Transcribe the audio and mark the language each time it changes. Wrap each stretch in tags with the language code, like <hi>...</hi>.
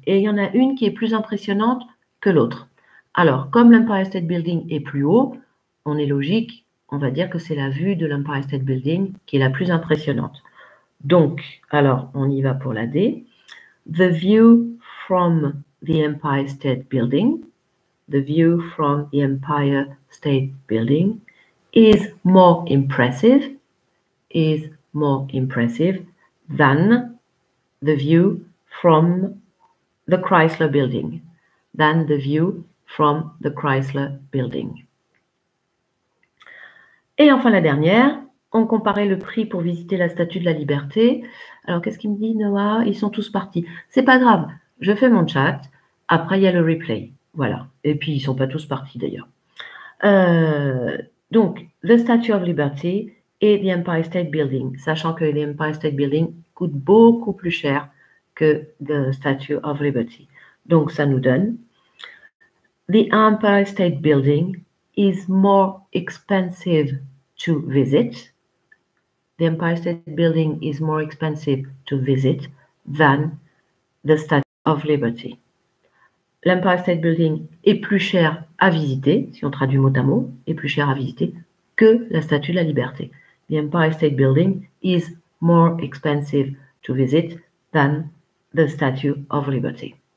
<fr>Et il y en a une qui est plus impressionnante que l'autre. Alors, comme l'Empire State Building est plus haut, on est logique, on va dire que c'est la vue de l'Empire State Building qui est la plus impressionnante. Donc, alors, on y va pour la D.</fr> <en>The view from the Empire State Building, the view from the Empire State Building is more impressive than the view from the Chrysler Building, than the view from the Chrysler Building.</en> <fr>Et enfin la dernière, on comparait le prix pour visiter la Statue de la Liberté. Alors qu'est-ce qu'il me dit Noah? Ils sont tous partis. C'est pas grave, je fais mon chat. Après il y a le replay. Voilà. Et puis ils sont pas tous partis d'ailleurs. Donc the Statue of Liberty et the Empire State Building, sachant que the Empire State Building coûte beaucoup plus cher que the Statue of Liberty. Donc ça nous donne</fr> <en>The Empire State Building is more expensive to visit. The Empire State Building is more expensive to visit than the Statue of Liberty.</en> <fr>L'Empire State Building est plus cher à visiter, si on traduit mot à mot, est plus cher à visiter que la Statue de la Liberté.</fr> <en>The Empire State Building is more expensive to visit than the Statue of Liberty.</en>